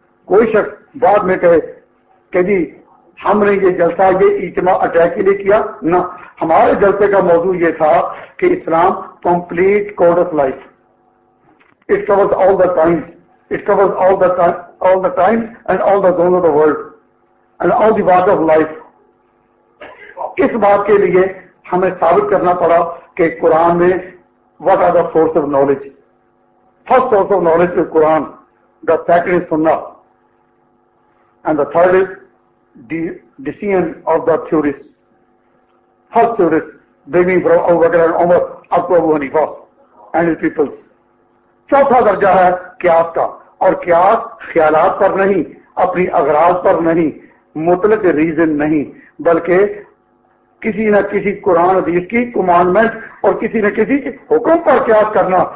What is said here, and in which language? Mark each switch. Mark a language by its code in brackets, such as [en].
[ur] کوئی شخص بعد میں کہے کہ جی ہم نے یہ جلسہ یہ اجتماع اٹیک کے لیے کیا، نہ، ہمارے جلسے کا موضوع یہ تھا کہ اسلام [en] Complete code of life, it covers all the times, it covers all the time, all the times and all the zones of the world and all the walks of life. [ur] اس بات کے لیے ہمیں ثابت کرنا پڑا کہ قرآن میں [en] what are the source of knowledge, first source of knowledge is Quran, the second is Sunnah and the third is the decision of the theorists, first theorists beginning from Abu Bakr and Umar up to Abu Hanifa and his people. [ur] چوتھا درجہ ہے قیاس کا، اور قیاس خیالات پر نہیں، اپنی اغراض پر نہیں، مطلق ریزن نہیں، بلکہ کسی نہ کسی قرآن حدیث کی کمانڈمنٹ اور کسی نہ کسی حکم پر قیاس کرنا.